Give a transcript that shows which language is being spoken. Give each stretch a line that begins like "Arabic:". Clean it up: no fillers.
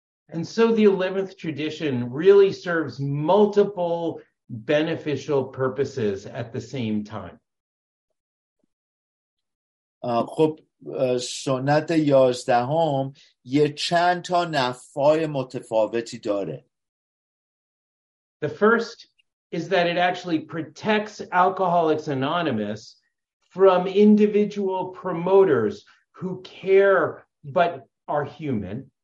English: And so the 11th tradition really serves multiple beneficial purposes at the same time.
Persian: خب سنت 11ام یه چند تا نفعای متفاوتی داره.
English: The first is that it actually protects Alcoholics Anonymous from individual promoters who care but are human.